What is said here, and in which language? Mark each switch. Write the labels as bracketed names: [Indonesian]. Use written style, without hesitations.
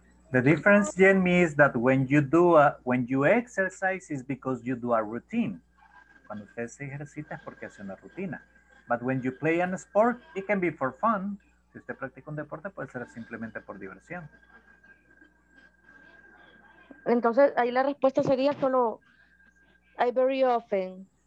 [English] The difference, Jenny, is that when you do when you exercise is because you do a routine. [Spanish] Cuando usted se ejercita es porque hace una rutina. [English] But when you play a sport, it can be for fun. [Spanish] Si usted practica un deporte, puede ser simplemente por diversión. Entonces, ahí la respuesta sería solo [English] I very often.